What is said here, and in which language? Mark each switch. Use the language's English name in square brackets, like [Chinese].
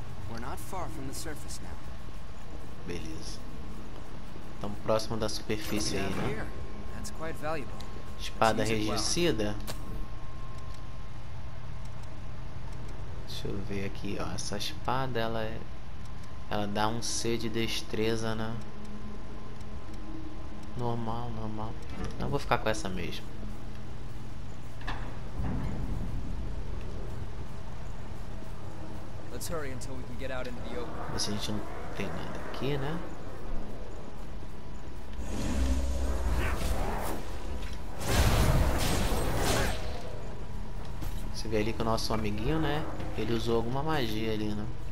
[English] We're not far from the surface now. [Portuguese] Beleza. Estamos próximo da superfície aí, né? [English] That's quite valuable. [Portuguese] Espada enrijecida. Deixa eu ver aqui, ó. Essa espada, ela é. Ela dá um C de destreza, né? Normal, normal. Não, vou ficar com essa mesmo. [English] Let's hurry until we can get out into the open. [Portuguese] Mas a gente não tem nada aqui, né? Você vê ali que o nosso amiguinho, né? Ele usou alguma magia ali, né?